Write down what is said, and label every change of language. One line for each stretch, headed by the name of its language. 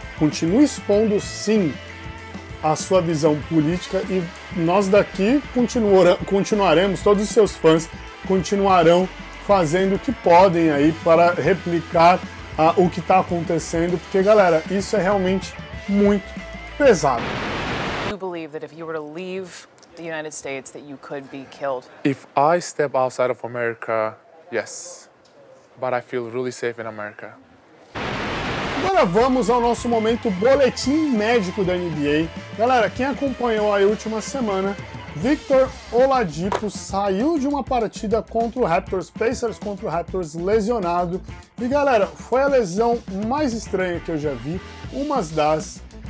Portuguese: Continue expondo, sim, a sua visão política, e nós daqui continuaremos, todos os seus fãs continuarão fazendo o que podem aí para replicar o que está acontecendo, porque, galera, isso é realmente muito pesado.
English: The United States, that you could be killed. If I step outside of America, yes. But I feel really safe in America.
Portuguese: Agora vamos ao nosso momento boletim médico da NBA. Galera, quem acompanhou aí a última semana, Victor Oladipo saiu de uma partida contra o Raptors, Pacers contra o Raptors, lesionado. E galera, foi a lesão mais estranha que eu já vi, umas das.